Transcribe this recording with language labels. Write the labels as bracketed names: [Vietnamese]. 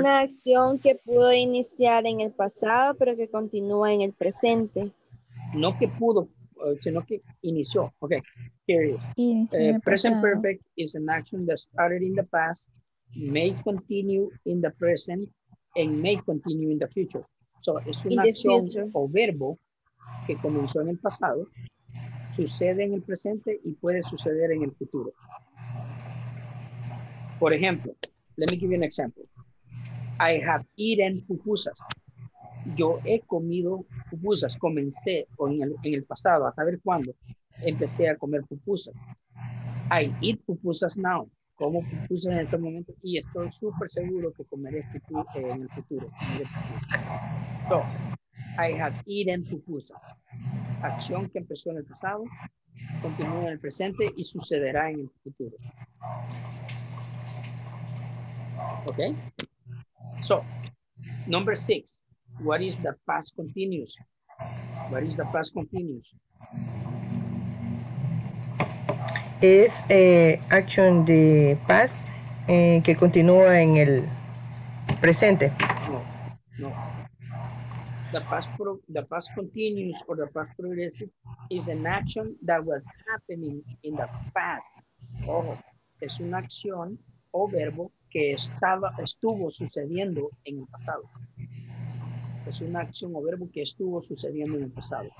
[Spanish] Una acción que pudo iniciar en el pasado, pero que continúa en el presente. No que pudo, sino que inició. [English] Okay, here it is. Present perfect is an action that started in the past, may continue in the present, and may continue in the future. [Spanish] So, es una acción o verbo que comenzó en el pasado, sucede en el presente y puede suceder en el futuro. Por ejemplo, [English] let me give you an example. I have eaten pupusas. [Spanish] Yo he comido pupusas. Comencé en el pasado, a saber cuándo, empecé a comer pupusas. [English] I eat pupusas now. [Spanish] Como pupusas en este momento y estoy súper seguro que comeré en el futuro. So, [English] I have eaten pupusas. [Spanish] Acción que empezó en el pasado, continúa en el presente y sucederá en el futuro. [English] Okay. So, number six. What is the past continuous? What is the past continuous? [Spanish] Es action de past que continúa en el presente. No, no. [English] The past continuous or the past progressive is an action that was happening in the past. [Spanish] Ojo, es una acción o verbo que estuvo sucediendo en el pasado. Es una acción o verbo que estuvo sucediendo en el pasado.